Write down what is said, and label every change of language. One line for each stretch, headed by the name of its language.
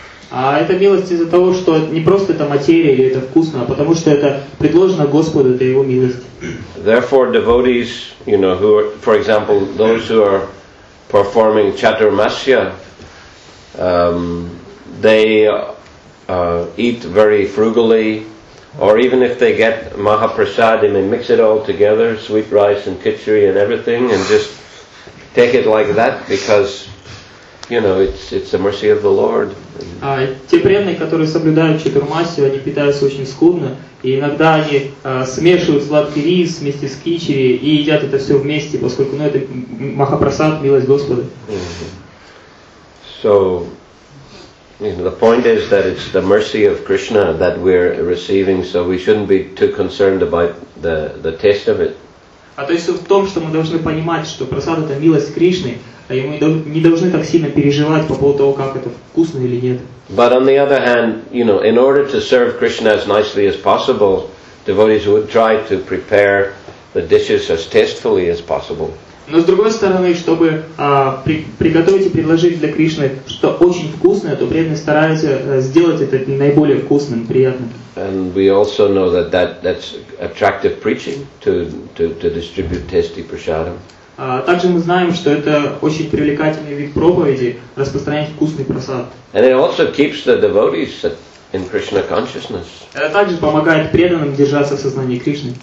Russian: А это милость из-за того, что не просто это материя или это вкусно, а потому что это предложено Господу, это Его милость.
English: Therefore, devotees, you know, who are, for example, those who are performing chaturmasya, they eat very frugally, or even if they get mahaprasad, they may mix it all together, sweet rice and khichdi and everything, and just take it like that because, you know, it's the mercy of the Lord.
Russian: Те преданные, которые соблюдают четурмасию, они питаются очень скудно, и иногда они смешивают сладкий рис вместе с кичери и едят это все вместе, поскольку, ну, это махапрасад, милость Господа.
English: So, you know, the point is that it's the mercy of Krishna that we're receiving, so we shouldn't be too concerned about the taste of it.
Russian: А то есть в том, что мы должны понимать, что прасад — это милость Кришны, а мы не должны так сильно переживать по поводу того, как это вкусно или нет.
English: But on the other hand, you know, in order to serve Krishna as nicely as possible, devotees would try to prepare the dishes as tastefully as possible.
Russian: Но с другой стороны, чтобы приготовить и предложить для Кришны что-то очень вкусное, то преданные стараются сделать это наиболее вкусным, приятным.
English: And we also know that's attractive preaching to distribute tasty prasadam.
Russian: Также мы знаем, что это очень привлекательный вид проповеди — распространять вкусный просад.
English: And it also keeps the devotees in Krishna consciousness.
Russian: Это также помогает преданным держаться в сознании Кришны.